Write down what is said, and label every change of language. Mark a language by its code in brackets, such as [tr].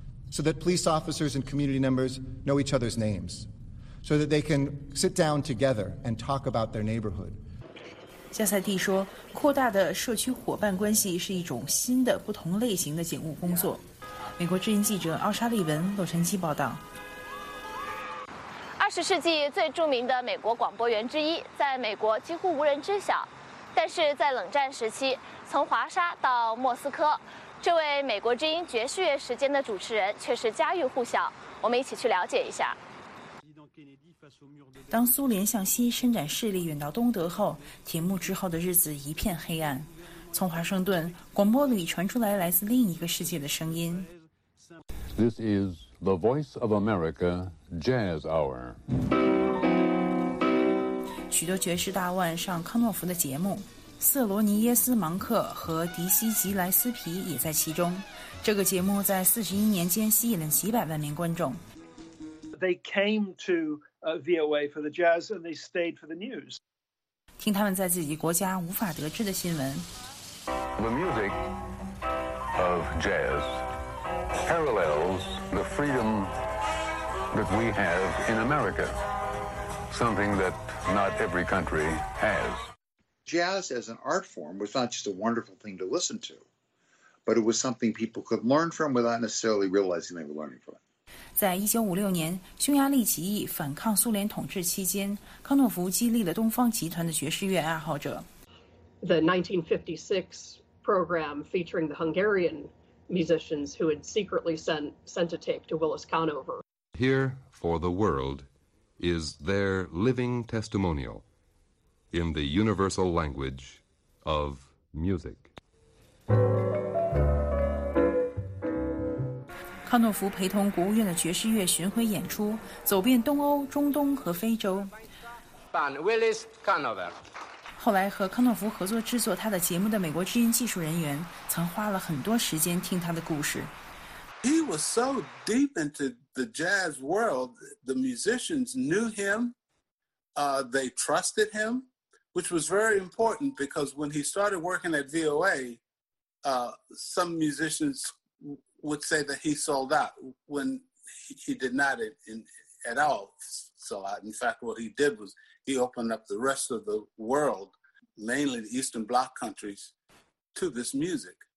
[en] So that police officers and community members know each other's names, so that they can sit down together and talk about their neighborhood. [zh] 加塞蒂说，扩大的社区伙伴关系是一种新的、不同类型的警务工作。美国之音记者奥沙利文，洛杉矶报道。 20世纪最著名的美国广播员之一，在美国几乎无人知晓，但是在冷战时期，从华沙到莫斯科，这位美国之音爵士乐时间的主持人却是家喻户晓。我们一起去了解一下。当苏联向西伸展势力，远到东德后，铁幕之后的日子一片黑暗。从华盛顿广播里传出来来自另一个世界的声音。 [en] This is the Voice of America Jazz Hour. [zh] 许多爵士大腕上康诺福的节目，瑟罗尼耶斯·芒克和迪西·吉莱斯皮也在其中。这个节目在41年间吸引了几百万名观众。 [en] They came to VOA for the jazz and they stayed for the news. [zh] 听他们在自己国家无法得知的新闻。 [en] The music of jazz parallels the freedom that we have in America, something that not every country has. Jazz as an art form was not just a wonderful thing to listen to, but it was something people could learn from without necessarily realizing they were learning from it. [zh] 在1956年匈牙利起义反抗苏联统治期间，康诺福激励了东方集团的爵士乐爱好者。 [en] The 1956 program featuring the Hungarian musicians who had secretly sent a tape to Willis Conover. Here for the world is their living testimonial in the universal language of music. [zh] 康诺福陪同国务院的爵士乐巡回演出，走遍东欧、中东和非洲。 [en] Willis Conover. [zh] 后来和康道夫合作制作他的节目的美国之音技术人员曾花了很多时间听他的故事。 [en] He was so deep into the jazz world, the musicians knew him, they trusted him, which was very important because when he started working at VOA, some musicians would say that he sold out when he did not at all sell out. In fact, what he did was he opened up the rest of the world, mainly the Eastern Bloc countries, to this music.